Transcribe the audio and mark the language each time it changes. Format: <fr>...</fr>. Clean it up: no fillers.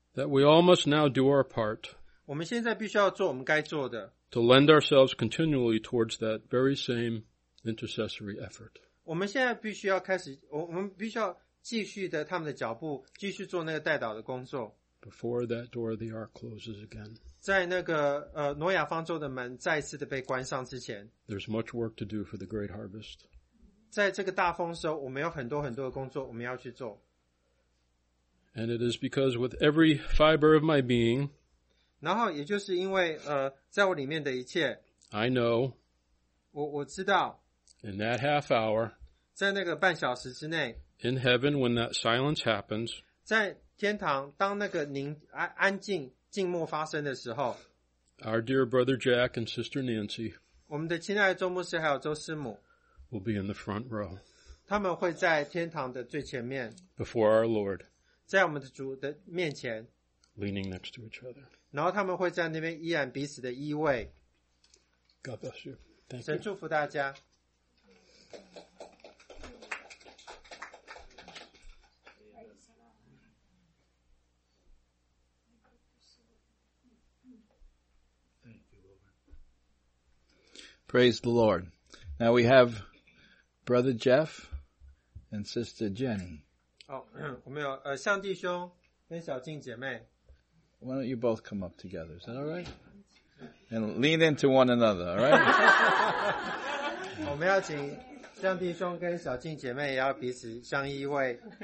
<en>that we all must now do our part.</en> <zh>我们现在必须要做我们该做的。</zh> <en>To lend ourselves continually towards that very same intercessory effort.</en> <zh>我们现在必须要开始，我们必须要继续的他们的脚步，继续做那个代祷的工作。</zh> <en>Before that door of the ark closes again.</en> <zh>在那个挪亚方舟的门再次的被关上之前。</zh> <en>There's much work to do for the great harvest.</en> <zh>在这个大丰收，我们有很多很多的工作我们要去做。</zh> <en>And it is because with every fiber of my being.</en> <zh>然后也就是因为, 在我里面的一切,</zh> <en>I know,</en> <zh>我知道,</zh> <en>in that half hour,</en> <zh>在那个半小时之内,</zh> <en>in heaven when that silence happens,</en> <zh>在天堂, 当那个宁安静, 静默发生的时候,</zh> <en>our dear Brother Jack and Sister Nancy,</en> <zh>我们的亲爱的周牧师还有周师母,</zh> <en>will be in the front row,</en> <zh>他们会在天堂的最前面,</zh> <en>before our Lord,</en> <zh>在我们的主的面前,</zh> <en>leaning next to each other.</en> <zh>然后他们会在那边依然彼此的依偎。</zh> <en>God bless you. Thank you.</en> <zh>神祝福大家。</zh> <en>Praise the Lord. Now we have Brother Jeff and Sister Jenny.</en> <zh>我们有向弟兄跟小静姐妹。</zh> <en>Why don't you both come up together? Is that all right? And lean into one another, all right?</en> <zh>我们要请向弟兄跟小静姐妹也要彼此相依偎。</zh>